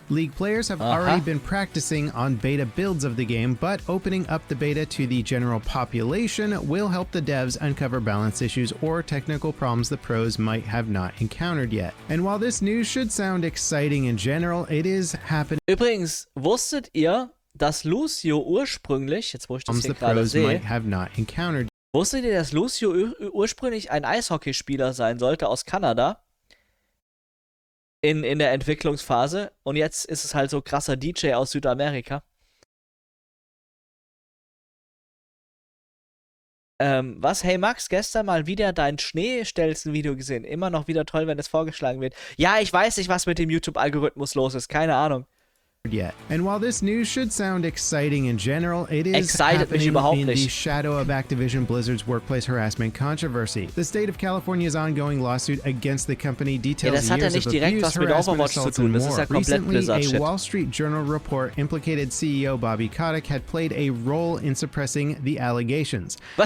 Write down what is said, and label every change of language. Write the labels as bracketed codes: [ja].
[en] League players have already been practicing on beta builds of the game, but opening up the beta to the general population will help the devs uncover balance issues or technical problems the pros might have not encountered yet. And while this news should sound exciting in general, it is happened. [de] Übrigens, wusstet ihr, dass Lucio ursprünglich, jetzt wo ich das hier gerade sehe, wusstet ihr, dass Lucio ursprünglich ein Eishockeyspieler sein sollte aus Kanada in der Entwicklungsphase und jetzt ist es halt so krasser DJ aus Südamerika. Was, hey Max, gestern mal wieder dein Schneestelzen-Video gesehen. Immer noch wieder toll, wenn es vorgeschlagen wird. Ja, ich weiß nicht, was mit dem YouTube-Algorithmus los ist. Keine Ahnung. [en] Yet. And while this news should sound exciting in general, it is happening in the shadow of Activision Blizzard's workplace harassment controversy. The state of California's ongoing lawsuit against the company details years of abuse, harassment, assaults, and more. Recently, a Wall Street Journal report implicated CEO Bobby Kotick had played a role in suppressing the allegations.